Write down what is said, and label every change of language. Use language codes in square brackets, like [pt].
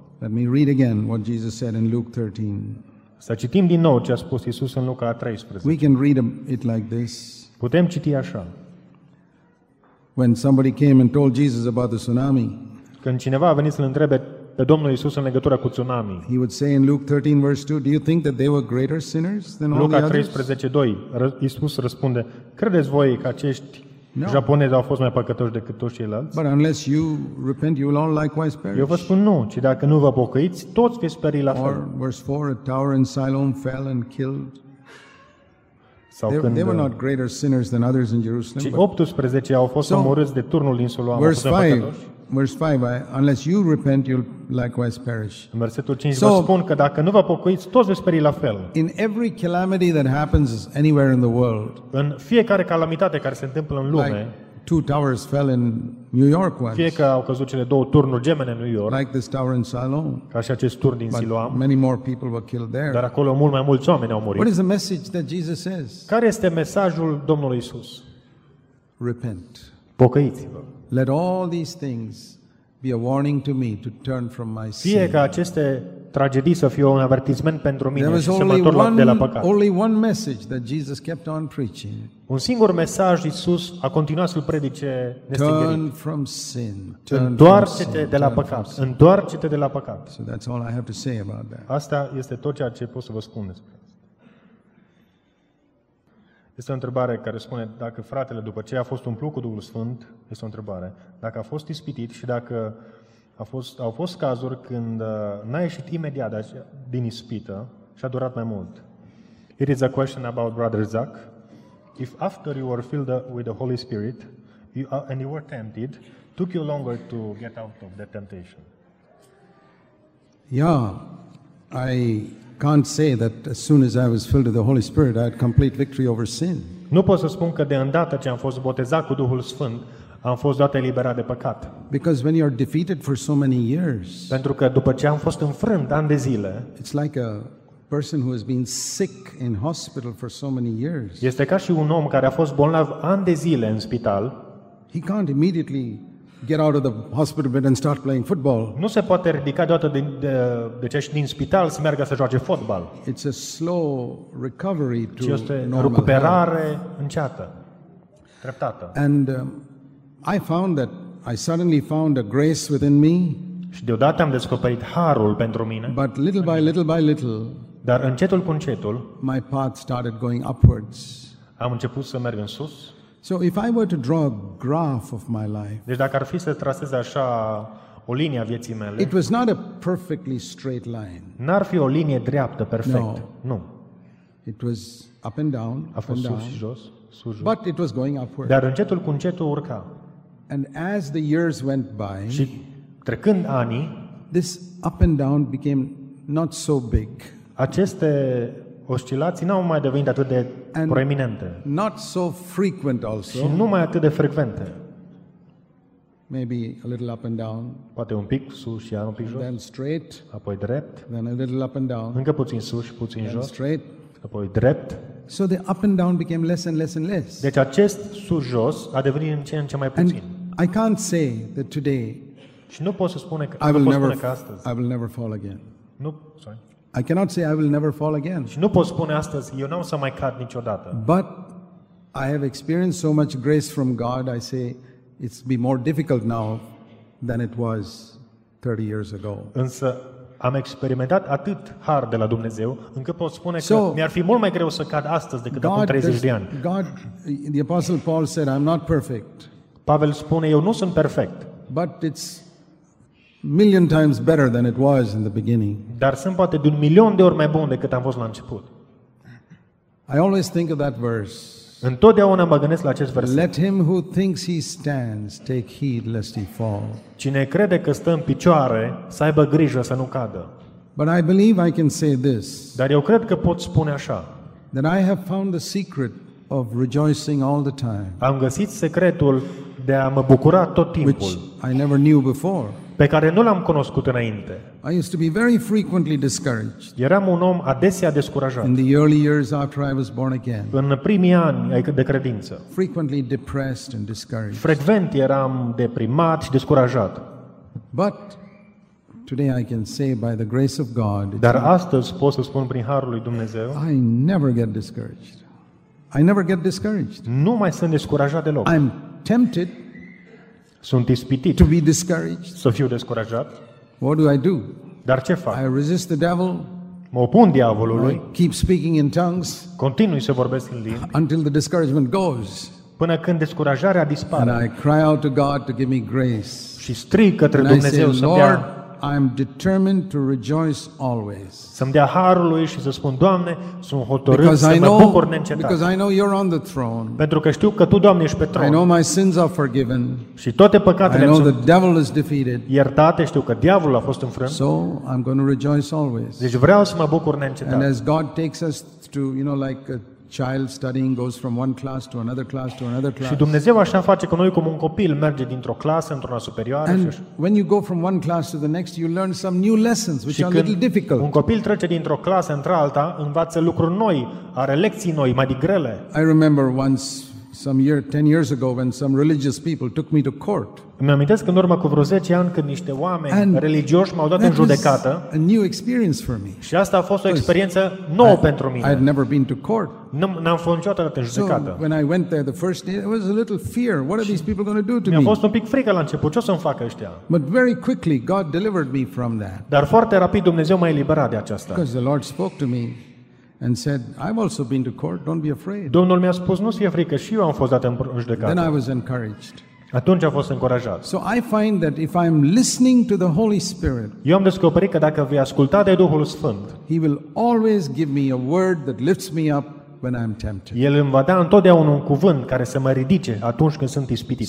[en] Let me read again what Jesus said in Luke 13. [ro] Să citim din nou ce a spus Iisus în Luca 13. [en] We can read it like this. [ro] Putem citi așa. [en] When somebody came and told Jesus about the tsunami. [ro] Când cineva a venit să-l întrebe pe Domnul Iisus în legătură cu tsunami. [en] He would say in Luke 13 verse 2, do you think that they were greater sinners than all the others? [ro] Luca 13:2. Iisus răspunde: credeți voi că acești japonezi au fost mai păcătoși decât toți ceilalți? [en] But unless you repent, you will all likewise perish. [ro] Eu vă spun nu, ci dacă nu vă pocăiți, toți veți peri la fel. [en] Or verse 4, a tower in Siloam fell and killed. [ro] Sau [en] they were not greater sinners than others in Jerusalem. [ro] Și 18 au fost omorâți de turnul din Siloam, [en] verse 5. Verse 5, unless you repent, you'll likewise perish. [ro] În versetul 5 vă spun că dacă nu vă pocăiți, toți veți peri la fel. [en] In every calamity that happens anywhere in the world. [ro] În fiecare calamitate care se întâmplă în lume. [en] Like two towers fell in New York once. [ro] Fie că au căzut cele două turnuri gemene în New York. [en] Like this tower in Siloam. [ro] Ca și acest turn din Siloam. [en] Many more people were killed there. [ro] Dar acolo mult mai mulți oameni au murit. [en] What is the message that Jesus says? [ro] Care este mesajul Domnului Iisus? [en] Repent. [ro] Pocăiți-vă. [en] Let all these things be a warning to me to turn from my sin. [ro] Fie ca aceste tragedii să fie un avertisment pentru mine și să mă întorc de la păcat. [en] Only one message that Jesus kept on preaching. [ro] Un singur mesaj Iisus a continuat să-l predice nestingherit. [en] Turn from sin. [ro] Întoarce-te de la păcat. Întoarce-te de la păcat. [en] So that's all I have to say about that. [ro] Asta este tot ceea ce pot să vă spun despre asta. Este o întrebare care spune dacă fratele, după ce a fost umplut cu Duhul Sfânt, este o întrebare, dacă a fost ispitit și dacă au fost cazuri când n-a ieșit imediat din ispită și a durat mai mult. [en] It is a question about Brother Zach. If after you were filled with the Holy Spirit and you were tempted, took you longer to get out of that temptation? Yeah, I can't say that as soon as I was filled with the Holy Spirit I had complete victory over sin. [ro] Nu pot să spun că de îndată ce am fost botezat cu Duhul Sfânt am fost dat eliberat de păcat. [en] Because when you are defeated for so many years. [ro] Pentru că după ce am fost înfrânt ani de zile. [en] It's like a person who has been sick in hospital for so many years. [ro] Este ca și un om care a fost bolnav ani de zile în spital. [en] He can't immediately get out of the hospital bed and start playing football. [ro] Nu se poate ridica deodată de ce ești din spital să meargă să joace fotbal. [en] It's a slow recovery to normal. [ro] Recuperare înceată. treptată. [en] And I found that I suddenly found a grace within me. [ro] Și deodată am descoperit harul pentru mine. [en] But little by little by little, [ro] dar încetul cu încetul, [en] my path started going upwards. [ro] Am început să merg în sus. [en] So if I were to draw a graph of my life. [ro] Deci dacă ar fi să trasez așa o linie a vieții mele. [en] It was not a perfectly straight line. [ro] N-ar fi o linie dreaptă perfect. [en] No. [ro] Nu. [en] It was up and down, [ro] a fost [en] and [ro] sus [en] down, [ro] și jos, sus, jos. [en] But it was going upward. [ro] Dar încetul cu încetul urca. [en] And as the years went by, [ro] și trecând anii, [en] this up and down became not so big. [ro] Aceste oscilații n-au mai devenit atât de proeminente. [en] Not so frequent also. [ro] Și nu mai atât de frecvente. [en] Maybe a little up and down. [ro] Poate un pic sus și iar un pic jos. [en] Then straight. [ro] Apoi drept. [en] Then a little up and down. [ro] Încă puțin sus și puțin [en] then [ro] jos. [en] Then straight. [ro] Apoi drept. [en] So the up and down became less and less and less. [ro] Deci acest sus jos a devenit în ce în ce mai puțin. [en] And I can't say that today. [ro] Și nu pot să spun că astăzi. [en] I will never fall again. [ro] Nu, [en] sorry. I cannot say I will never fall again. [ro] Și nu pot spune astăzi, eu n-am să mai cad niciodată. [en] But I have experienced so much grace from God, I say it's be more difficult now than it was 30 years ago. [ro] Însă am experimentat atât har de la Dumnezeu, încât pot spune că mi-ar fi mult mai greu să cad astăzi decât acum 30 de ani. [en] God, the apostle Paul said, I'm not perfect. [ro] Pavel spune, eu nu sunt perfect. [en] But it's million times better than it was in the beginning. [ro] Dar sunt poate de un milion de ori mai bun decât am fost la început. [en] I always think of that verse. [ro] Întotdeauna mă gândesc la acest verset. [en] Let him who thinks he stands take heed lest he fall. [ro] Cine crede că stă în picioare, să aibă grijă să nu cadă. [en] But I believe I can say this. [ro] Dar eu cred că pot spune așa. [en] That I have found the secret of rejoicing all the time. [ro] Am găsit secretul de a mă bucura tot timpul. [en] Which I never knew before. [ro] Pe care nu l-am cunoscut înainte. [en] I used to be very frequently discouraged. [ro] Eram un om adesea descurajat. [en] In the early years after I was born again. [ro] În primii ani ai de credință. [en] Frequently depressed and discouraged. [ro] Frecvent eram deprimat și descurajat. [en] But today I can say by the grace of God. [ro] Dar astăzi pot să spun prin harul lui Dumnezeu. [en] I never get discouraged. I never get discouraged. [ro] Nu mai sunt descurajat deloc. [en] I'm tempted. [ro] Sunt ispitit. [en] To be discouraged. [ro] Să fiu descurajat. [en] What do I do? [ro] Dar ce fac? [en] I resist the devil. [ro] Mă opun diavolului. [en] I keep speaking in tongues. [ro] Continui să vorbesc în limbi. [en] Until the discouragement goes. [ro] Până când descurajarea dispare. [en] And I cry out to God to give me grace. [ro] Și strig către Dumnezeu să-mi dea. [en] Lord, I'm determined to rejoice always. [ro] Să-mi dea harul lui și să spun, Doamne, sunt hotărât să mă bucur neîncetat. [en] Because I know you're on the throne. [ro] Pentru că știu că tu, Doamne, ești pe tron. [en] I know my sins are forgiven. [ro] Și toate păcatele [en] I know the devil is defeated. [ro] Iertate, știu că diavolul a fost înfrânt. [en] So I'm going to rejoice always. [ro] Deci vreau să mă bucur neîncetat. [en] And as God takes us to, you know, like a child studying goes from one class to another class to another class. [ro] Și Dumnezeu așa face că noi cum un copil merge dintr-o clasă într-una superioară. [en] And when you go from one class to the next, you learn some new lessons which are a little difficult. [ro] Un copil trece dintr-o clasă într-alta, învață lucruri noi, are lecții noi mai grele. [en] I remember once some year 10 years ago when some religious people took me to court. [ro] Îmi amintesc că în urmă cu vreo 10 ani când niște oameni religioși m-au dat în judecată. [en] A new experience for me. [ro] Și asta a fost o experiență nouă pentru mine. [en] I had never been to court. [ro] N-am fost niciodată în judecată. [en] So when I went there the first day it was a little fear. What are these people going to do to me? [ro] Mi-a fost un pic frică la început. Ce o să-mi facă ăștia? [en] But very quickly God delivered me from that. [ro] Dar foarte rapid Dumnezeu m-a eliberat de aceasta. [en] Because the Lord spoke to me and said, I've also been to court, don't be afraid. [ro] Domnul mi-a spus, nu fie frică, și eu am fost dat în judecată. [en] Then I was encouraged. [ro] Atunci a fost încurajat. [en] So I find that if I'm listening to the Holy Spirit, [ro] eu am descoperit că dacă voi asculta de Duhul Sfânt, [en] He will always give me a word that lifts me up when I'm tempted. [ro] El îmi va da întotdeauna un cuvânt care să mă ridice atunci când sunt ispitit.